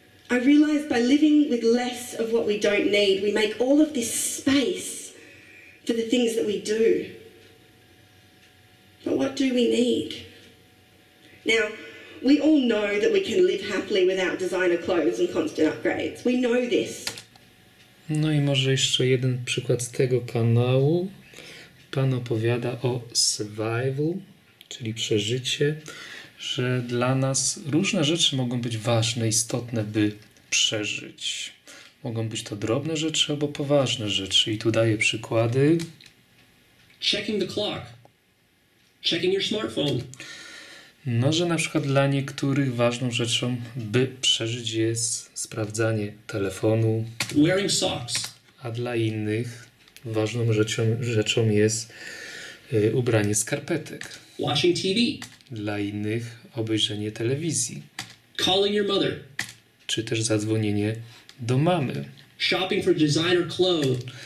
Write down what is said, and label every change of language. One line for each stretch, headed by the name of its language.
English: I realize by living with less of what we don't need, we make all of this space for the things that we do. But what do we need? Now, we all know that we can live happily without designer clothes and constant upgrades. We know this.
Polish: No i może jeszcze jeden przykład z tego kanału. Pan opowiada o survival, czyli przeżycie, że dla nas różne rzeczy mogą być ważne, istotne, by przeżyć. Mogą być to drobne rzeczy albo poważne rzeczy. I tu daję przykłady.
English: Checking the clock. Checking your smartphone.
Polish: No, że na przykład dla niektórych ważną rzeczą, by przeżyć, jest sprawdzanie telefonu.
English: Wearing socks.
Polish: A dla innych ważną rzeczą jest ubranie skarpetek.
English: Watching TV.
Polish: Dla innych obejrzenie telewizji.
English: Calling your mother.
Polish: Czy też zadzwonienie do mamy.
English: Shopping for designer clothes.